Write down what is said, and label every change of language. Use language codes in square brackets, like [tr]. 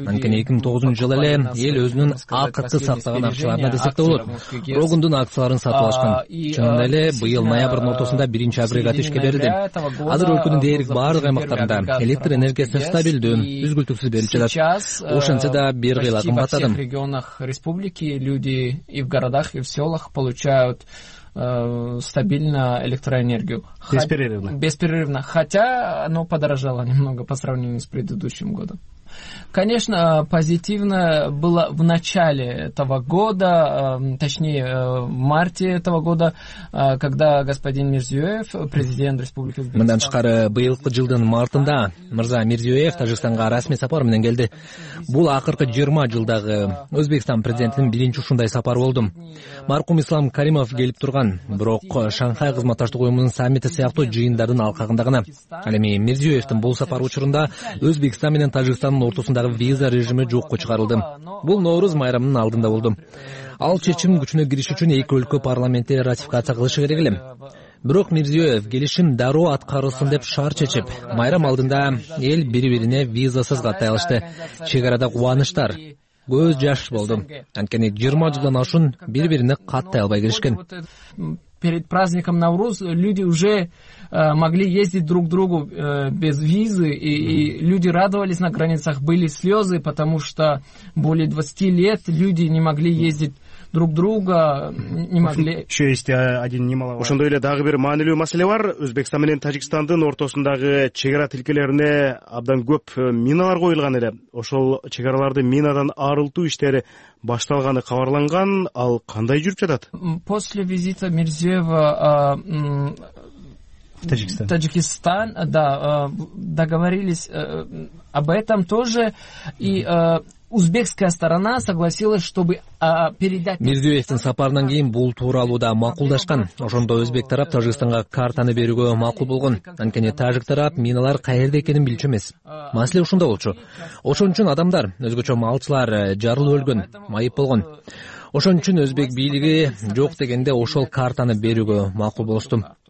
[ky] Анткени 2009 жылы эле эл өзүнүн акытты сактаган акчаларына десек да болот, рогундун акцияларын сатып алышкан. Чынында эле быйыл ноябрдын ортосунда биринчи агрегат ишке берилди. Азыр өлкөнүн дээрлик баардык аймактарында электр энергиясы стабилдүү, үзгүлтүксүз берилип жатат. Ошентсе да бир кыйла кымбаттадым. [ru] В регионах республики люди и в городах, и в селах получают стабильно электроэнергию. Бесперерывно. Бесперерывно. Хотя оно подорожало немного по сравнению с предыдущим годом. Конечно, позитивно было в начале этого года, точнее, в марте этого года, когда господин Мирзиёев, президент Республики Узбекистан... [ky] Мындан тышкары, быйылкы жылдын мартында Мырза Мирзиёев Тажикстанга расмий сапар менен келди. Бул акыркы 20 жылдагы Өзбекстан президентинин биринчи ушундай сапары болду. Маркум Ислам Каримов келип турган, бирок Шанхай кызматташтык уюмунун саммити сыяктуу жыйындардын алкагында гана. Ал эми Мирзиёевдин бул сапары учурунда Өзбекстан менен Тажикстан ортосундагы виза режими жокко чыгарылды. Бул Нооруз майрамынын алдында болду. Ал чечим күчүнө кириш үчүн эки өлкө парламенти ратификация кылышы керек эле. Бирок Мирзиёев келишим дароо аткарылсын деп шаар чечип, майрам алдында эл бири бирине визасыз каттай алышты. Чек арада кубанычтар, көз жаш болду. Анткени 20 жылдан ашуун бири бирине каттай албай келишкен. [ru] Перед праздником Навруз люди уже могли ездить друг к другу без визы, и люди радовались на границах, были слезы, потому что более 20 лет люди не могли ездить друг друга не могли. Еще есть один немаловажный. [ky] Ошондой эле дагы бир маанилүү маселе бар. Өзбекстан менен Тажикстандын ортосундагы чек ара тилкелерине абдан көп миналар коюлган эле. Ошол чек араларды минадан арылтуу иштери башталганы кабарланган. Ал кандай жүрүп жатат? [ru] После визита Мирзиева Таджикистан, да, договорились об этом тоже, и узбекская сторона согласилась, чтобы передать... [ky] Мирзиёевдин сапарынан кийин бул тууралуу да макулдашкан. Ошондо өзбек тарап Тажикстанга картаны берүүгө макул болгон. Анткени тажик тарап миналар каерде экенин билчү эмес. Маселе ушунда болчу. Ошон үчүн адамдар, өзгөчө малчылар жарылып өлгөн, майып болгон. Ошон үчүн өзбек бийлиги жок дегенде ошол картаны берүүгө макул болуштум.